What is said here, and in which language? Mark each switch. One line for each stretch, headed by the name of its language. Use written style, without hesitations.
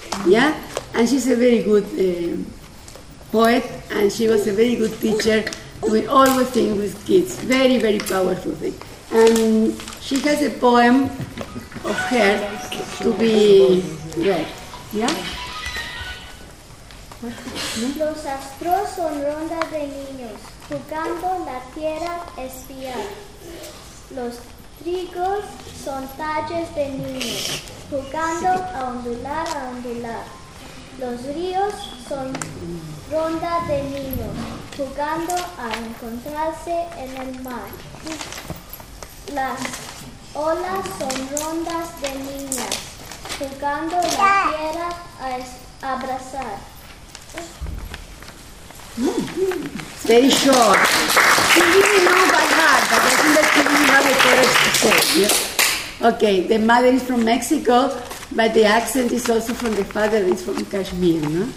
English: Yeah, and she's a very good poet, and she was a very good teacher doing all the things with kids. Very, very powerful thing. And she has a poem of her to be read. Yeah?
Spanish: Los astros son rondas de niños jugando la tierra espiar. Los trigos son talles de niños jugando a ondular. Los ríos son rondas de niños jugando a encontrarse en el mar. Las olas son rondas de niñas jugando la tierra a abrazar.
English: Very short. She didn't know by heart, but I think that she didn't have a courage to say. Yeah? Okay, the mother is from Mexico, but the accent is also from the father, is from Kashmir. No?